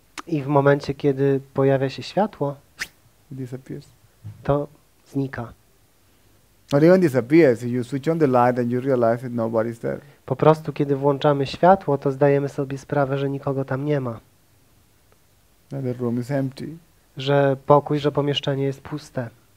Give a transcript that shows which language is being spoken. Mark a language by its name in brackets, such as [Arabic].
[Polish] I w momencie, kiedy pojawia się światło, [English] it disappears. [Polish] To znika. [English] Not even disappears. You switch on the light and you realize that nobody's there. [Polish] Po prostu, kiedy włączamy światło, to zdajemy sobie sprawę, że nikogo tam nie ma. [English] That the room is empty. [Polish] Że pokój, że pomieszczenie jest puste.